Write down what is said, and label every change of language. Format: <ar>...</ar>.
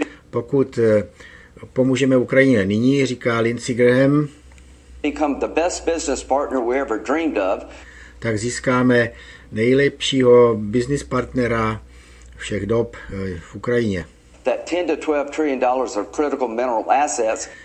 <cs>Pokud pomůžeme Ukrajině nyní, říká Lindsey Graham,</cs> <en>become the best business partner we ever dreamed of.</en> <cs>Tak získáme nejlepšího business partnera všech dob v Ukrajině.</cs> <en>That 10 to 12 trillion dollars of critical mineral assets.</en>